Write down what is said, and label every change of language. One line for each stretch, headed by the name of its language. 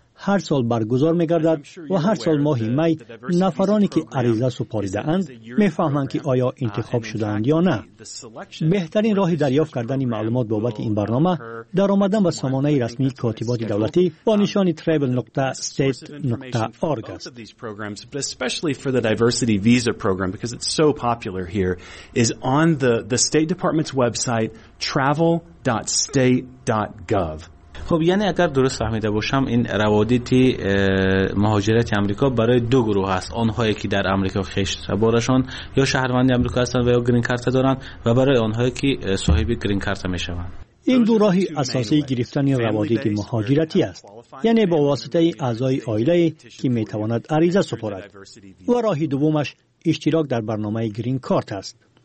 Persian: هر سال برگزار میگردد و هر سال ماه می نفرانی که عریضه سپاریده اند می فهمند که آیا انتخاب شده اند یا نه. بهترین راه دریافت کردن معلومات بابت این برنامه در آمدن به سامانه رسمی کاتبات دولتی با نشان travel.state.org است.
English: But especially for the diversity visa program because it's so popular here is on the State Department's website travel.state.gov.
Persian: خب یعنی اگر درست فهمیده باشم این روادید مهاجرت آمریکا برای دو گروه است، آنهایی که در آمریکا خشت بارشان یا شهروند آمریکا هستند و یا گرین کارت دارند و برای آنهایی که صاحب گرین کارت می شوند. این دو راهی اساسی گرفتن روادید مهاجرتی است، یعنی با واسطه اعضای آیله که می تواند عریضه سپارد، و راه دومش اشتراک در برنامه گرین کارت است.